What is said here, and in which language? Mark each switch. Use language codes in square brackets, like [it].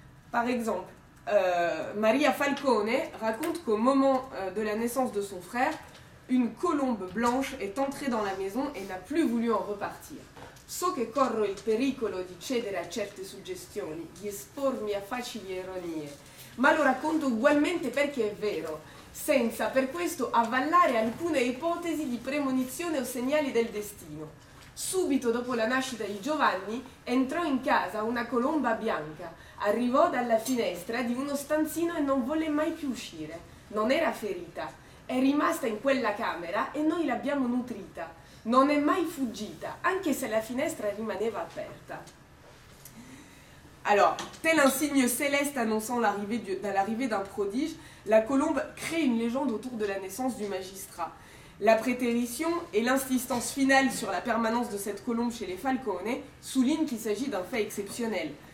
[fr] Par exemple, Maria Falcone raconte qu'au moment de la naissance de son frère, une colombe blanche est entrée dans la maison et n'a plus voulu en repartir. [it] So che corro il pericolo di cedere a certe suggestioni, di espormi a facili ironie, ma lo racconto ugualmente perché è vero, senza per questo avallare alcune ipotesi di premonizione o segnali del destino. Subito dopo la nascita di Giovanni, entrò in casa una colomba bianca, arrivò dalla finestra di uno stanzino e non volle mai più uscire. Non era ferita, è rimasta in quella camera e noi l'abbiamo nutrita. Non è mai fuggita, anche se la finestra rimaneva aperta. [fr] Alors, tel un signe céleste annonçant l'arrivée d'un prodige, la colombe crée une légende autour de la naissance du magistrat. La prétérition et l'insistance finale sur la permanence de cette colombe chez les Falcone soulignent qu'il s'agit d'un fait exceptionnel.